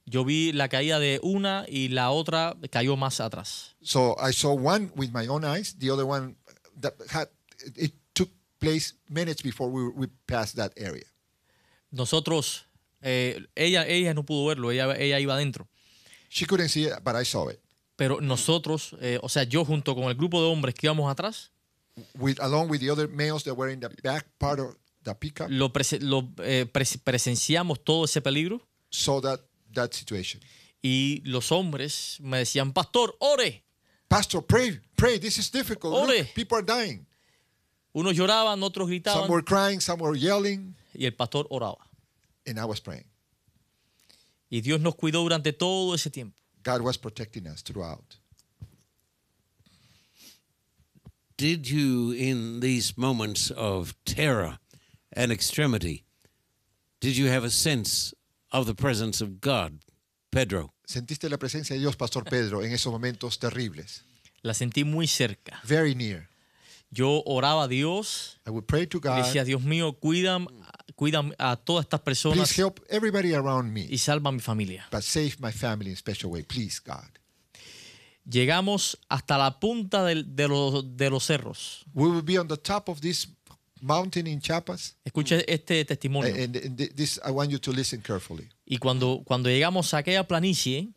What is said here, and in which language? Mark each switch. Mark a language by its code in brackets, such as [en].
[es] Yo vi la caída de una y la otra cayó más atrás. [en] So I saw one with my own eyes, the other one that had it took place minutes before we passed that area. [es] Nosotros, ella no pudo verlo, ella iba adentro. [en] She couldn't see it, but I saw it. [es] Pero nosotros, o sea, yo junto con el grupo de hombres que íbamos atrás, [en] along with the other males that were in the back part of the pickup, [es] presenciamos todo ese peligro. [en] Saw that situation. [es] Y los hombres me decían, Pastor, ore. [en] Pastor, pray, this is difficult. [es] Ore. [en] Look, people are dying. [es] Unos lloraban, otros gritaban. [en] Some were crying, some were yelling. [es] Y el pastor oraba. [en] And I was praying. [es] Y Dios nos cuidó durante todo ese tiempo. [en] God was protecting us throughout. Did you, in these moments of terror and extremity, did you have a sense of the presence of God, Pedro? [es] ¿Sentiste la presencia de Dios, Pastor Pedro, en esos momentos terribles? La sentí muy cerca. [en] Very near. [es] Yo oraba a Dios. [en] I would pray to God. [es] Y decía, Dios mío, cuida a todas estas personas. [en] Please help everybody around me. [es] Y salva a mi familia. [en] But save my family in a special way, please, God. [es] Llegamos hasta la punta de los cerros. [en] We will be on the top of this mountain in Chiapas. [es] Escuche este testimonio. [en] And this, I want you to listen carefully. [es] Y cuando llegamos a aquella planicie,